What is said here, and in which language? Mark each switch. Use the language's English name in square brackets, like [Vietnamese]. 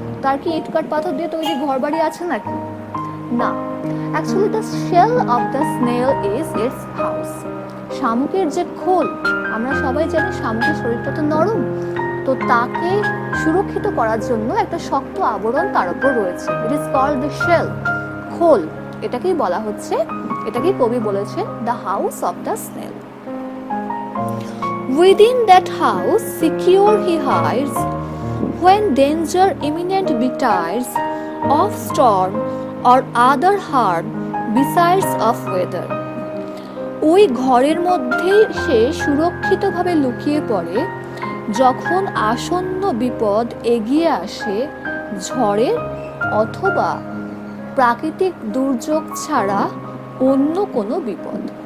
[Bangla] তার কি ইটকাট পাথর দিয়ে তৈরি ঘর বাড়ি আছে নাকি? না, [English] actually the shell of the snail is its house, [Bangla] শামুকের যে খোল, আমরা সবাই জানি শামুকের শরীরটা তো নরম, তো তাকে সুরক্ষিত করার জন্য একটা শক্ত আবরণ তার উপর রয়েছে, [English] it is called the shell, [Bangla] খোল, এটাকেই বলা হচ্ছে, এটাকেই কবি বলেছেন [English] The house of the snail. Within that house secure he hides, when danger imminent betides, of storm or other harm besides of weather. [Bangla] ওই ঘরের মধ্যেই সে সুরক্ষিতভাবে লুকিয়ে পড়ে যখন আসন্ন বিপদ এগিয়ে আসে ঝড়ের অথবা প্রাকৃতিক দুর্যোগ ছাড়া অন্য কোনো বিপদ।